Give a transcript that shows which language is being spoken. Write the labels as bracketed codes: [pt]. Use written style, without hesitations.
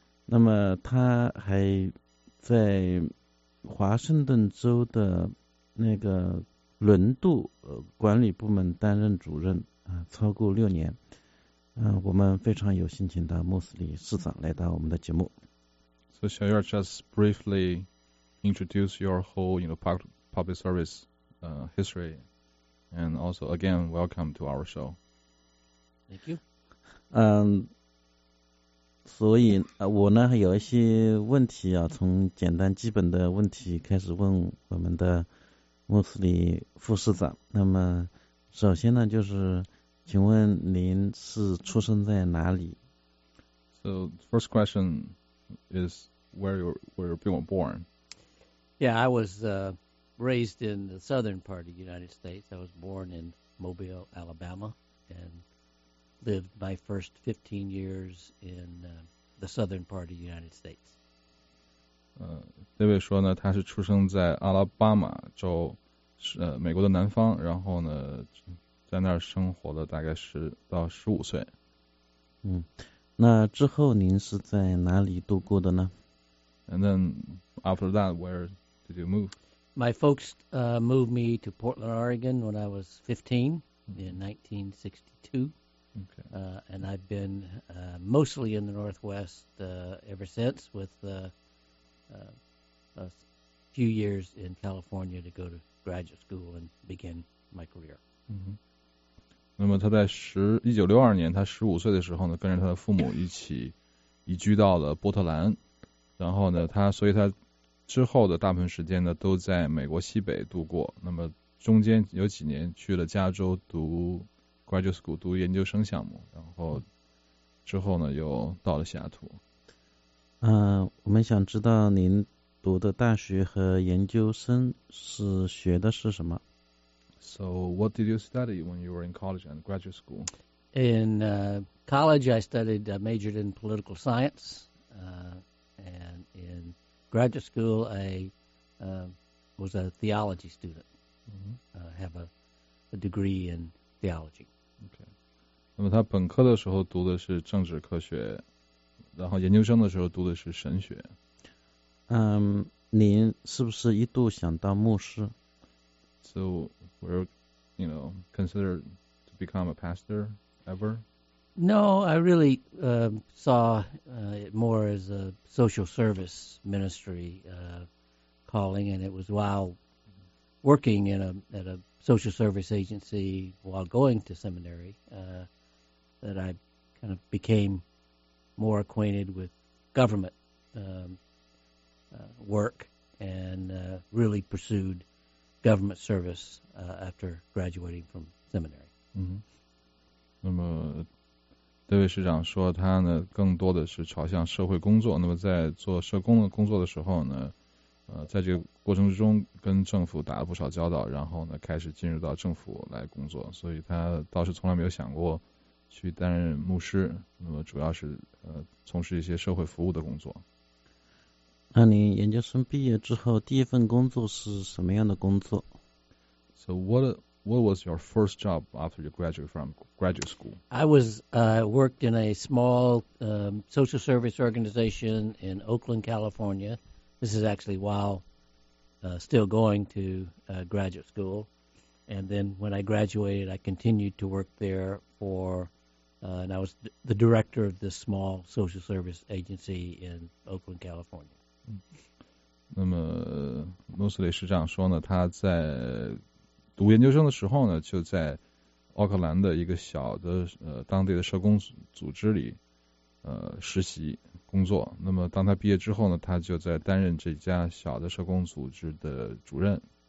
[zh] 那么他还在华盛顿州的那个轮渡管理部门担任主任啊，超过6年。我们非常有幸请到穆斯利市长来到我们的节目。 [en] So, shall you just briefly introduce your whole, you know, public service history, and also again, welcome to our show. Thank you. [zh] 所以我呢有一些问题啊，从简单基本的问题开始问我们的穆斯利副市长。那么，首先呢，就是请问您是出生在哪里 [en] ？So, first question is. Where you were born? Yeah, I was raised in the southern part of the United States. I was born in Mobile, Alabama, and lived my first 15 years in the southern part of the United States. [zh] David 说呢，他是出生在阿拉巴马州，美国的南方，然后呢，在那儿生活了大概10到15岁。那之后您是在哪里度过的呢？ [en] And then after that, where did you move? My folks moved me to Portland, Oregon when I was 15 in 1962. Okay. And I've been mostly in the Northwest ever since with a few years in California to go to graduate school and begin my career. [zh] Mm-hmm. 那么他在1962年他15岁的时候呢跟着他的父母一起移居到了波特兰。然后呢所以他之后的大部分时间呢都在美国西北度过，那么中间有几年去了加州读 [en] graduate school， [zh] 读研究生项目，然后之后呢又到了西雅图。我们想知道您读的大学和研究生是学的是什么？ [en] So what did you study when you were in college and graduate school? In college I studied, majored in political science, and in graduate school, I was a theology student. Have a degree in theology. Okay. [zh] 那么他本科的时候读的是政治科学，然后研究生的时候读的是神学。您是不是一度想当牧师？ [en] So, were you, you know, considered to become a pastor ever? No, I really saw it more as a social service ministry calling, and it was while working in at a social service agency while going to seminary that I kind of became more acquainted with government work and really pursued government service after graduating from seminary. Mm-hmm. [zh] 这位市长说他呢更多的是朝向社会工作，那么在做社工的工作的时候呢在这个过程之中跟政府打了不少交道，然后呢开始进入到政府来工作，所以他倒是从来没有想过去担任牧师，那么主要是从事一些社会服务的工作。那你研究生毕业之后第一份工作是什么样的工作？ [en] So what was your first job after you graduated from graduate school? I was worked in a small social service organization in Oakland, California. This is actually while still going to graduate school. And then when I graduated, I continued to work there for, and I was the director of this small social service agency in Oakland, California. [zh] 那么 Mosley 市长说呢，他在读研究生的时候呢，就在奥克兰的一个小的当地的社工组织里实习工作。那么当他毕业之后呢，他就在担任这家小的社工组织的主任。